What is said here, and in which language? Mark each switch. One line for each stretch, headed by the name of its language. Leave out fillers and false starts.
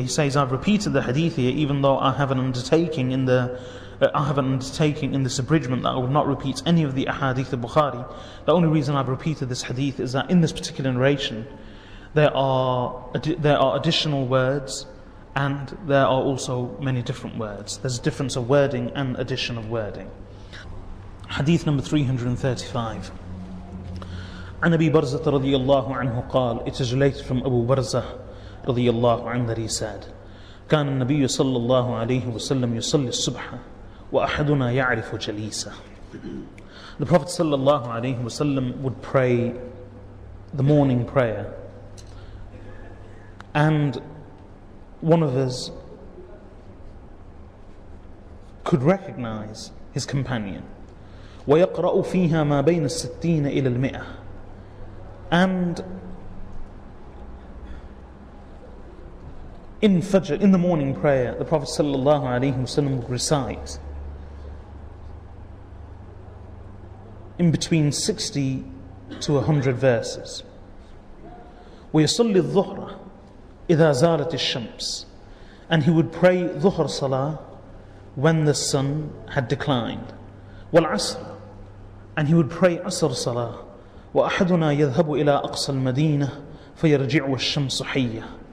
English: He says, I've repeated the hadith here even though I have an undertaking in this abridgment that I would not repeat any of the ahadith of Bukhari. The only reason I've repeated this hadith is that in this particular narration, there are additional words and there are also many different words. There's a difference of wording and addition of wording. Hadith number 335.
Arabic: عن أبي برزة رضي الله عنه قال
English: It is related from Abu Barza
Arabic: رضي الله عنه
English: that he said
Arabic: كان النبي صلى الله عليه وسلم يصلي الصبح وأحدنا يعرف جليسه.
English: The Prophet صلى الله عليه وسلم would pray the morning prayer, and one of us could recognize his companion.
Arabic: ويقرأ فيها ما بين الستين إلى المئة.
English: And in Fajr, in the morning prayer, the Prophet sallallahu alaihi wasallam would recite in between 60 to 100 verses.
Arabic: وَيَصَلِّ الظُّهْرَ إِذَا زَالَتِ الشَّمْسِ.
English: And he would pray Dhuhr Salah when the sun had declined.
Arabic: وَالْعَصْرَ.
English: And he would pray Asr Salah.
Arabic: وأحدنا يذهب إلى أقصى المدينة فيرجع والشمس حية.